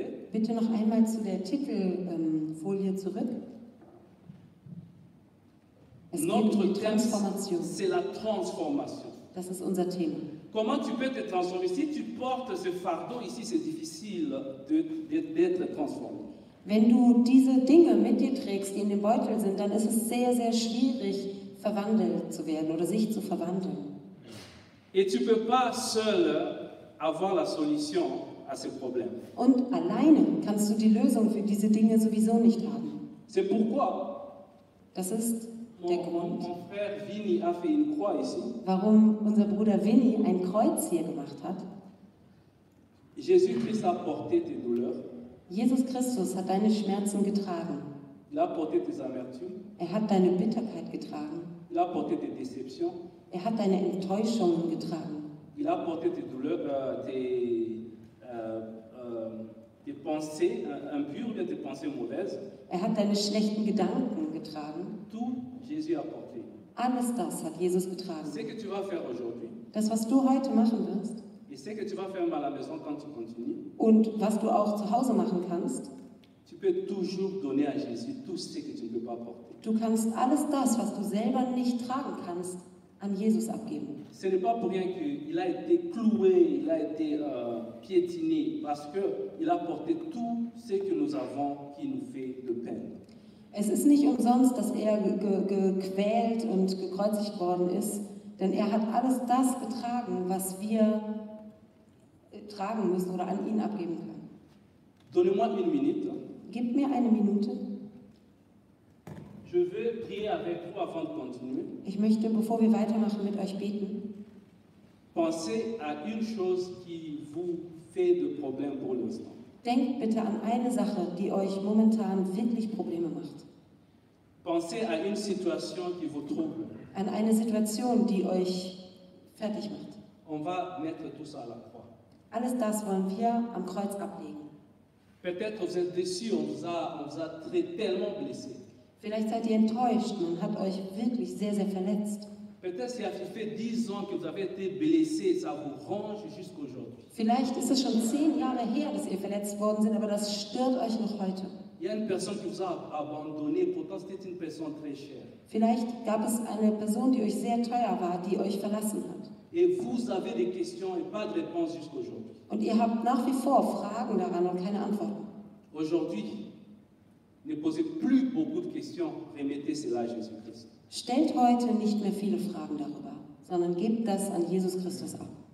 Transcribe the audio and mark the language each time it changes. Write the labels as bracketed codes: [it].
[de] Bitte noch einmal zu der Titelfolie zurück. Es geht um die Transformation. [fr] C'est la transformation. [de] Das ist unser Thema. [fr] Comment tu peux te transformer? Si tu portes ce fardeau ici, c'est difficile d'être transformé. [de] Wenn du diese Dinge mit dir trägst, die in dem Beutel sind, dann ist es sehr, sehr schwierig, verwandelt zu werden oder sich zu verwandeln. [fr] Et tu peux pas seul avoir la solution à ce problème. [de] Und alleine kannst du die Lösung für diese Dinge sowieso nicht haben. [fr] C'est pourquoi [de] das ist der Grund, [fr] mon frère Vinny a fait une croix ici. [de] Warum unser Bruder Vinny ein Kreuz hier gemacht hat. [fr] Jésus-Christ a porté tes douleurs. [de] Jesus Christus hat deine Schmerzen getragen. [fr] Il a porté tes amertumes. [de] Er hat deine Bitterkeit getragen. [fr] Il a porté tes déceptions. [de] Er hat deine Enttäuschungen getragen. [fr] Il a porté tes douleurs, tes pensées impures, tes pensées mauvaises. [de] Er hat deine schlechten Gedanken getragen. [fr] Tout Jésus a porté. [de] Alles das hat Jesus getragen. [fr] Ce que tu vas faire aujourd'hui. [de] Das, was du heute machen wirst. [fr] Et ce que tu vas faire à la maison quand tu continues. [de] Und was du auch zu Hause machen kannst. [fr] Tu peux toujours donner à Jésus tout ce que tu ne peux pas porter. [de] Du kannst alles das, was du selber nicht tragen kannst, an Jesus abgeben. [fr] Ce n'est pas pour rien qu'il a été cloué, il a été piétiné, parce que il a porté tout ce que nous avons qui nous fait de peine. [de] Es ist nicht umsonst, dass er gequält und gekreuzigt worden ist, denn er hat alles das getragen, was wir tragen müssen oder an ihn abgeben können. [fr] Donnez-moi une minute. [de] Gib mir eine Minute. [fr] Je veux prier avec vous avant de continuer. [de] Ich möchte, bevor wir weitermachen, mit euch beten. [fr] Pensez à une chose qui vous fait de problème pour l'instant. [de] Denkt bitte an eine Sache, die euch momentan wirklich Probleme macht. [fr] Pensez à une situation qui vous trouble. [de] An eine Situation, die euch fertig macht. [fr] On va mettre tout ça à la croix. [de] Alles das wollen wir am Kreuz ablegen. [fr] Peut-être vous êtes déçus, on vous a très tellement blessé. [de] Vielleicht seid ihr enttäuscht und habt euch wirklich sehr, sehr verletzt. Vielleicht ist es schon 10 Jahre her, dass ihr verletzt worden seid, aber das stört euch noch heute. Vielleicht gab es eine Person, die euch sehr teuer war, die euch verlassen hat. [fr] Et vous avez des questions et pas de réponses jusqu'à aujourd'hui. [de] Und ihr habt nach wie vor Fragen daran und keine Antworten. [fr] Aujourd'hui, ne posez plus beaucoup de questions, remettez cela à Jésus-Christ. [de] Stellt heute nicht mehr viele Fragen darüber, sondern gebt das an Jesus Christus ab.